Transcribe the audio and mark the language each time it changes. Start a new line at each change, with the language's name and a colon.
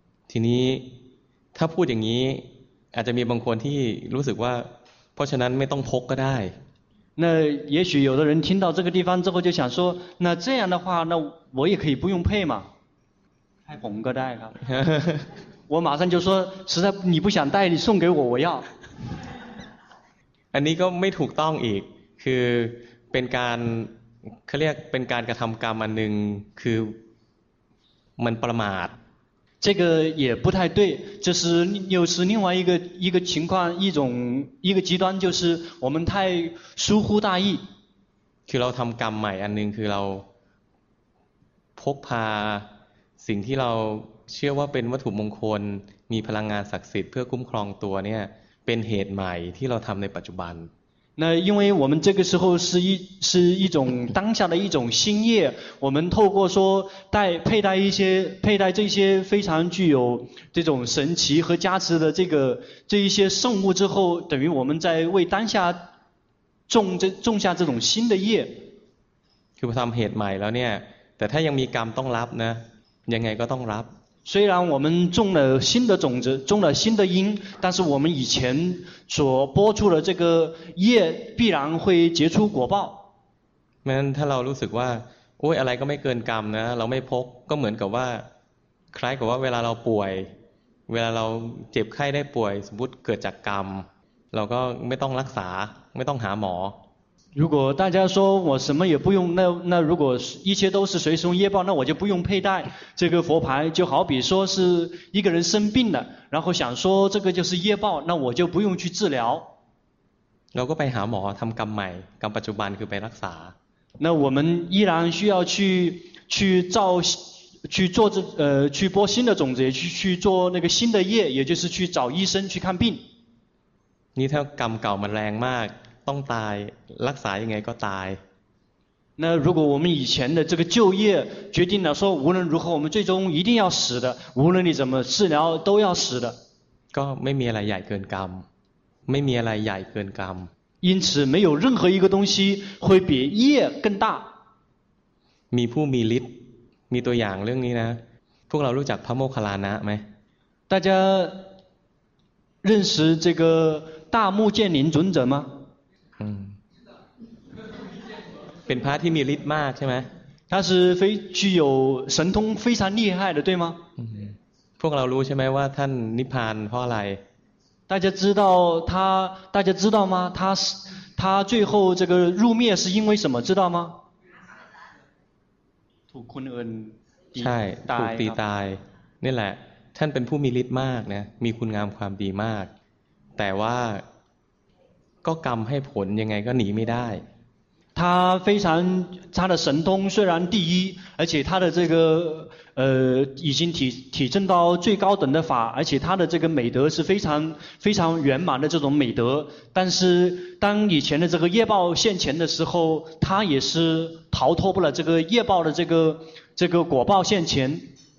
Thai: ทีนี้ถ้าพูดอย่างนี้อาจจะมีบางคนที่รู้สึกว่าเพราะฉะนั้นไม่ต้องพกก็ได้
Chinese: 那也许有的人听到这个地方之后就想说，那这样的话，那我也可以不用配嘛，还红个带啊。我马上就说，实在你不想带，你送给我，我要。
Thai: อันนี้ก็ไม่ถูกต้องอีกคือเป็นการเขาเรียกเป็นการกระทำกรรมอันหนึ่งคือมันประมาท
Chinese: 这个也不太对这是又是另外一个情况一种一个极端就是我们太疏忽大意
Thai: คือเราทำกรรมใหม่อันหนึ่งคือเราพกพาสิ่งที่เราเชื่อว่าเป็นวัตถุมงคลมีพลังงานศักดิ์สิทธิ์เพื่อคุ้มครองตัวเนี่ยเป็นเหตุใหม่ที่เราทำในปัจจุบัน
Chinese: 那因为我们这个时候是一种当下的一种新业我们透过说佩戴这些非常具有这种神奇和加持的这一些圣物之后等于我们在为当下种下这种新的业
Thai: คือทำเหตุใหม่แล้วเนี่ยแต่ถ้ายังมีกรรมต้องรับนะยังไงก็ต้องรับ
Chinese: 虽然我们种了新的种子种了新的因但是我们以前所播出的这个业必然会结出果报那么
Thai: ถ้าเรารู้สึกว่าโอ้ยอะไรก็ไม่เกินกรรมนะเราไม่พกก็เหมือนกับว่าคล้ายกับว่าเวลาเราป่วยเวลาเราเจ็บไข้ได้ป่วยสมมุติเกิดจากกรรมเราก็ไม่ต้องรักษาไม่ต้องหาหมอ
Chinese: 如果大家说我什么也不用那如果一切都是随顺业报那我就不用佩戴这个佛牌就好比说是一个人生病了然后想说这个就是业报那我就不用去治疗
Thai: เราก็ไปหาหมอทำกรรมใหม่กรรมปัจจุบันคือไปรักษา
Chinese: 那我们依然需要去播新的种子去做那个新的业也就是去找医生去看病
Thai: นี่ถ้ากรรมเก่ามันแรงมากต้องตายรักษายังไงก็ตาย
Chinese: 那如果我们以前的这个旧业决定了说无论如何我们最终一定要死的无论你怎么治疗都要死的
Thai: ก็ไม่มีอะไรใหญ่เกินกรรมไม่มีอะไรใหญ่เกินกรรม
Chinese: 因此没有任何一个东西会比业更大
Thai: มีผู้มีฤทธิ์มีตัวอย่างเรื่องนี้นะพวกเรารู้จักพระโมคคัลลานะไหม
Chinese: 大家认识这个大目犍连尊者吗
Thai: เป็นพระที่มีฤทธิ์มากใช่ไหม
Chinese: 他是非具有神通非常厉害的对吗
Thai: พวกเรารู้ใช่ไหมว่าท่านนิพพานเพราะอะไร
Chinese: 大家知道吗他最后这个入灭是因为什么知道吗
Thai: ถูกคนอื่น ใช่ถูกตีตายนี่แหละท่านเป็นผู้มีฤทธิ์มากนะมีคุณงามความดีมากแต่ว่าก็กรรมให้ผลยังไงก็หนีไม่ได้
Chinese: 他的神通虽然第一而且他的这个已经 体证到最高等的法而且他的这个美德是非常非常圆满的这种美德但是当以前的这个业报现前的时候他也是逃脱不了这个业报的这个果报现前